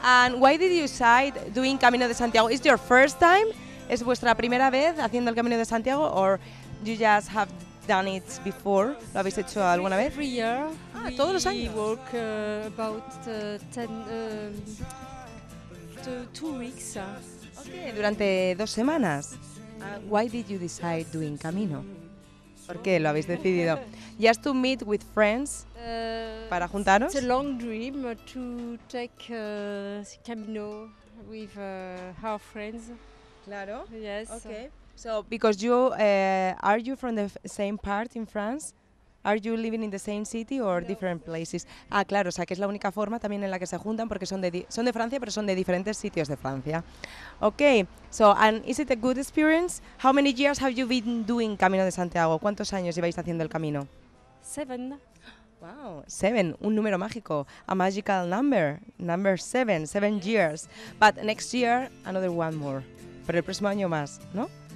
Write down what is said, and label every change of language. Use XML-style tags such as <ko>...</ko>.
<en>And why did you decide doing Camino de Santiago? Is your first time?</en> <es>¿Es vuestra primera vez haciendo el Camino de Santiago?</es> <en>Or you just have done it before?</en> <es>¿Lo habéis hecho alguna vez?</es> <en>Every year.</en> <es>Ah, todos los años.</es> <en>We work about 2 weeks.</en> <es>Okay, durante 2 semanas.</es> <en>Why did you decide doing Camino?</en> <es>¿Por qué lo habéis decidido?</es> <en>Just to meet with friends.</en> <es>Para juntaros.</es> <en>It's a long dream to take Camino with our friends.</en> <es>Claro.</es> <en>Yes. Okay. So because you are you from the same part in France? Are you living in the same city or different places?</en> <es>Ah, claro, o sea, que es la única forma también en la que se juntan porque son de Francia, pero son de diferentes sitios de Francia.</es> <en>Okay. So, and is it a good experience? How many years have you been doing Camino de Santiago?</en> <es>¿Cuántos años lleváis haciendo el camino? 7.</es> <en>Wow, 7,</en> <es>un número mágico,</es> <en>a magical number, number 7, 7 years. But next year another one more.</en> <es>Pero el próximo año más, ¿no?</es>